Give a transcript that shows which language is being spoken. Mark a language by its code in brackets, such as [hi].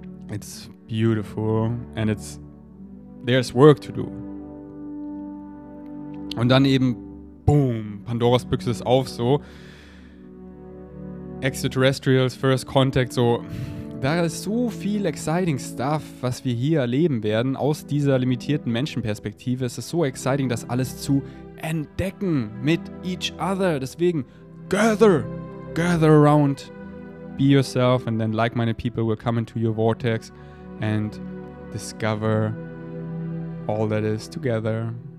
[en] It's beautiful and it's, there's work to do. [de] Und dann eben, boom, Pandoras Büchse ist auf, so. Extraterrestrials, First Contact, so. Da ist so viel exciting stuff, was wir hier erleben werden, aus dieser limitierten Menschenperspektive. Es ist so exciting, das alles zu entdecken mit each other. [en] Deswegen, gather, gather around, be yourself, and then like-minded people will come into your vortex and discover all that is together.